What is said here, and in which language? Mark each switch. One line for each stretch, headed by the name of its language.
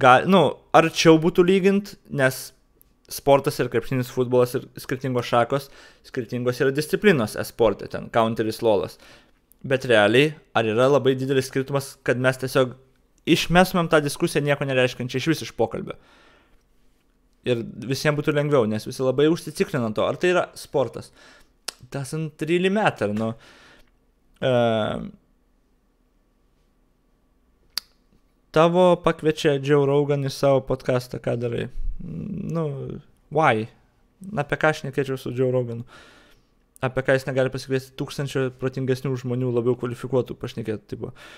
Lithuanian: Nu, arčiau būtų lygint, nes sportas ir krepšinis, futbolas ir skirtingos šakos, skirtingos yra disciplinos e-sporte, ten, counteris, lolas. Bet realiai, ar yra labai didelis skirtumas, kad mes tiesiog išmesumėm tą diskusiją nieko nereiškiančią iš viso iš pokalbio. Ir visiems būtų lengviau, nes visi labai užsitikrina to, ar tai yra sportas.
English: Doesn't really matter, nu.
Lithuanian: Tavo pakviečia Joe Rogan į savo podcastą, ką darai? Nu, why? Na, apie ką aš nekėčiau su Joe Roganu? Apie ką jis negali pasikviesti tūkstančio protingesnių žmonių, labiau kvalifikuotų pašnekėti, tipo.